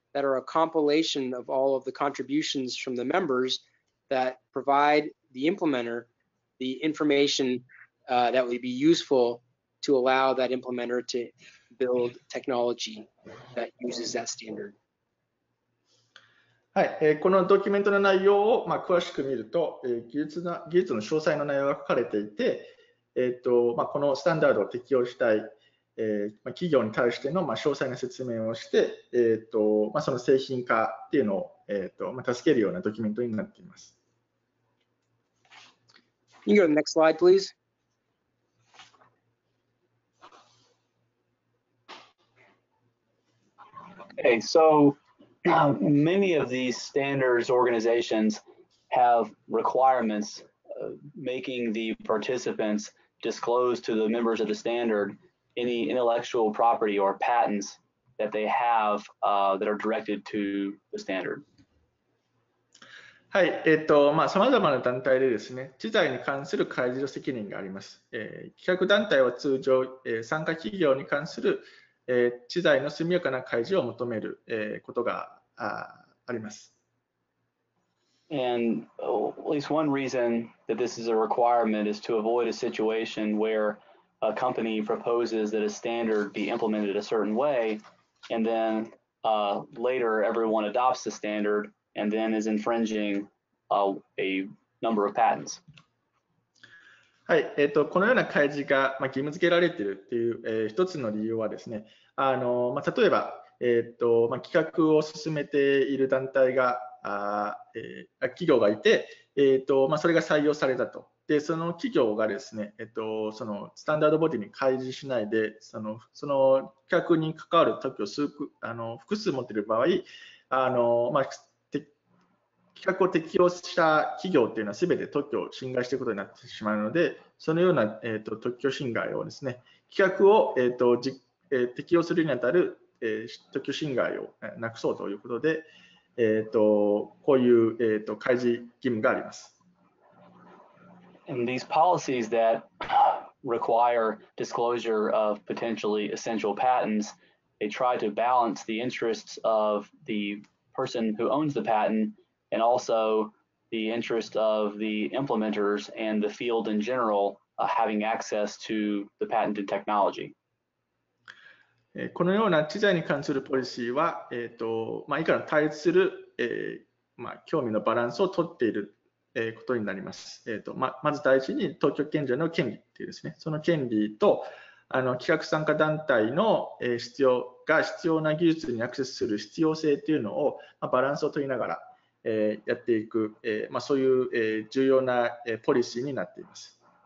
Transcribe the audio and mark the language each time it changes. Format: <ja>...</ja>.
<en>That are a compilation of all of the contributions from the members that provide the implementer the information、that would be useful to allow that implementer to build technology that uses that standard.</en> <ja>はい、このドキュメントの内容を、まあ、詳しく見ると、技術の詳細の内容が書かれていて、まあ、このスタンダードを適用したい企業に対しての詳細な説明をして、その製品化っていうのを助けるようなドキュメントになっています。</ja> <en>Can you go to the next slide, please? Okay, so many of these standards organizations have requirements making the participants disclose to the members of the standardany intellectual property or patents that they have、that are directed to the standard.</en> <ja>はい、まあ、様々な団体でですね、知財に関する開示の責任があります。企画団体は通常、参加企業に関する、知財の速やかな開示を求める、ことが、あります。</ja> <en>And at least one reason that this is a requirement is to avoid a situation whereA company proposes that a standard be implemented a certain way, and then、later everyone adopts the standard and then is infringing、a number of patents.</en> <ja>はい、このような開示が、まあ、義務付けられているという、一つの理由はですね、まあ、例えば、まあ、企画を進めている団体が、企業がいて、まあ、それが採用されたと。でその企業がですね、そのスタンダードボディに開示しないで、その客に関わる特許を数複数持っている場合、まあ、企画を適用した企業というのは全て特許を侵害していくことになってしまうので、そのような、特許侵害をですね、企画を、適用するにあたる、特許侵害をなくそうということで、こういう、開示義務があります。</ja> <en>And these policies that require disclosure of potentially essential patents, they try to balance the interests of the person who owns the patent and also the interest of the implementers and the field in general, having access to the patented technology.</en> <ja>このような知財に関するポリシーは、まあ、いかに対する、まあ、興味のバランスをとっている。ことになります。まず第一に特許権者の権利っていうですね、その権利と企画参加団体の必要が必要な技術にアクセスする必要性というのを、まあ、バランスを取りながら、やっていく、まあ、そういう、重要な、ポリシーになっています。</ja>